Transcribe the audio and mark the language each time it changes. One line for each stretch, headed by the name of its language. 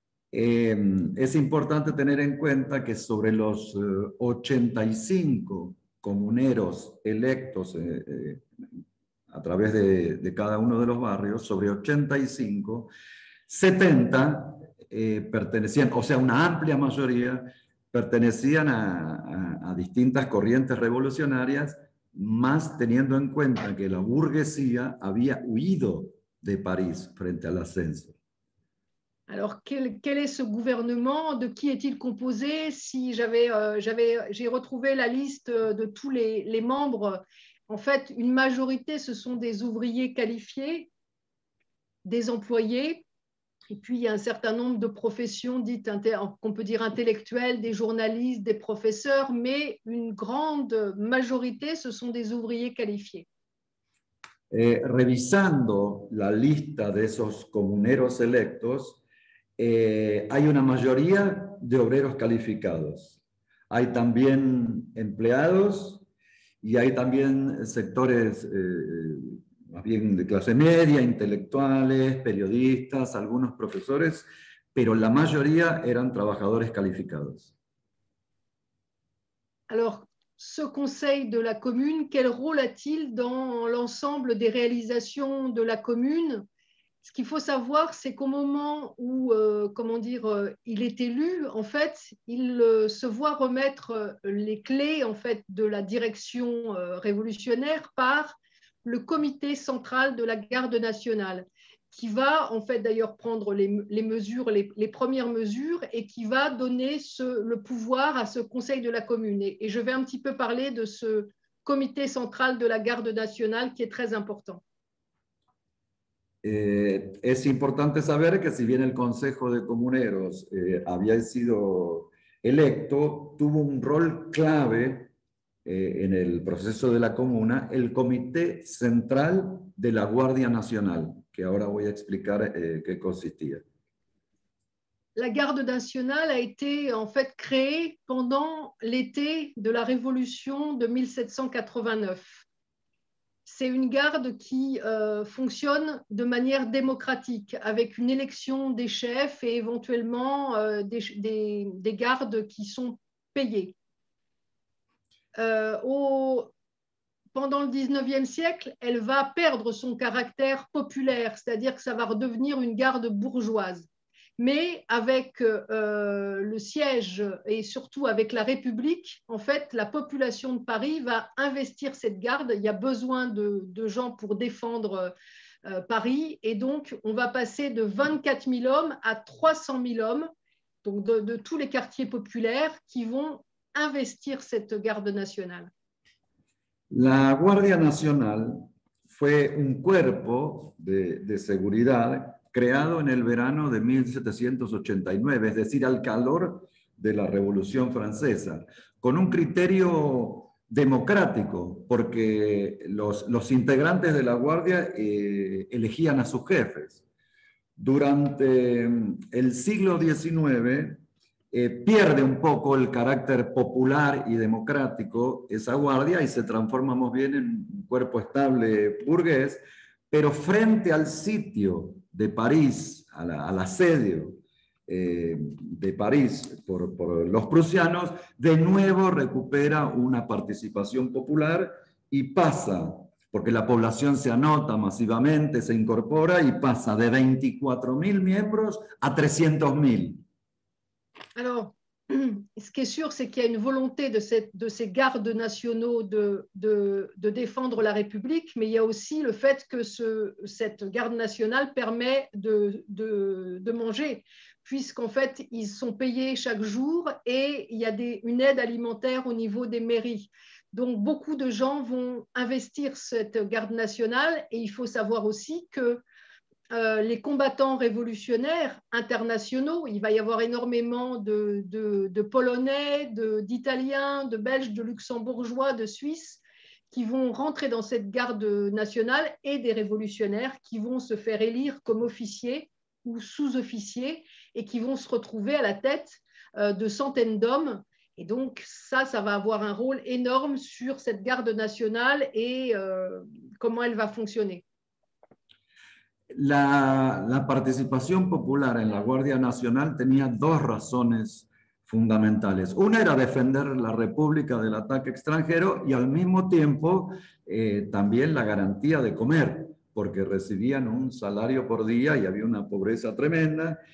Spanish: Es importante tener en cuenta que sobre los 85 comuneros electos a través de cada uno de los barrios, sobre 85, 70 pertenecían, o sea, una amplia mayoría, pertenecían a distintas corrientes revolucionarias, más teniendo en cuenta que la burguesía había huido de París frente al ascenso.
French: Alors, quel est ce gouvernement? De qui est-il composé? Si j'ai retrouvé la liste de tous les membres, en fait, une majorité, ce sont des ouvriers qualifiés, des employés, et puis il y a un certain nombre de professions dites qu'on peut dire intellectuelles, des journalistes, des professeurs, mais une grande majorité, ce sont des ouvriers qualifiés.
Spanish: Revisando la lista de esos comuneros electos, hay una mayoría de obreros calificados. Hay también empleados y hay también sectores más bien de clase media, intelectuales, periodistas, algunos profesores, pero la mayoría eran trabajadores calificados.
French: Alors, ce conseil de la commune, quel rôle a-t-il dans l'ensemble des réalisations de la commune? Ce qu'il faut savoir, c'est qu'au moment où, il est élu, en fait, il se voit remettre les clés, en fait, de la direction révolutionnaire par le comité central de la garde nationale, qui va, en fait, d'ailleurs, prendre les premières mesures et qui va donner le pouvoir à ce conseil de la commune. Et je vais un petit peu parler de ce comité central de la garde nationale qui est très important.
Spanish: Es importante saber que si bien el Consejo de Comuneros había sido electo, tuvo un rol clave en el proceso de la comuna, el Comité Central de la Guardia Nacional, que ahora voy a explicar qué consistía.
French: La Garde Nationale a été en fait créée pendant l'été de la Révolution de 1789. C'est une garde qui fonctionne de manière démocratique, avec une élection des chefs et éventuellement des gardes qui sont payés. Pendant le 19e siècle, elle va perdre son caractère populaire, c'est-à-dire que ça va redevenir une garde bourgeoise. Mais avec le siège et surtout avec la République, en fait, la population de Paris va investir cette garde. Il y a besoin de gens pour défendre Paris. Et donc, on va passer de 24 000 hommes à 300 000 hommes, donc de tous les quartiers populaires, qui vont investir cette garde nationale.
Spanish: La Guardia Nacional fue un cuerpo de seguridad creado en el verano de 1789, es decir, al calor de la Revolución Francesa, con un criterio democrático, porque los integrantes de la Guardia elegían a sus jefes. Durante el siglo XIX, pierde un poco el carácter popular y democrático esa guardia y se transforma más bien en un cuerpo estable burgués, pero frente al sitio de París, al asedio de París por los prusianos, de nuevo recupera una participación popular y pasa, porque la población se anota masivamente, se incorpora y pasa de 24.000 miembros a 300.000.
French: Alors, ce qui est sûr, c'est qu'il y a une volonté de ces gardes nationaux de défendre la République, mais il y a aussi le fait que cette garde nationale permet de manger, puisqu'en fait, ils sont payés chaque jour et il y a une aide alimentaire au niveau des mairies. Donc, beaucoup de gens vont investir cette garde nationale et il faut savoir aussi que les combattants révolutionnaires internationaux, il va y avoir énormément de Polonais, d'Italiens, de Belges, de Luxembourgeois, de Suisses qui vont rentrer dans cette garde nationale et des révolutionnaires qui vont se faire élire comme officiers ou sous-officiers et qui vont se retrouver à la tête de centaines d'hommes. Et donc ça va avoir un rôle énorme sur cette garde nationale et comment elle va fonctionner.
Spanish: La participación popular en la Guardia Nacional tenía dos razones fundamentales. Una era defender la República del ataque extranjero y al mismo tiempo también la garantía de comer, porque recibían un salario por día y había una pobreza tremenda.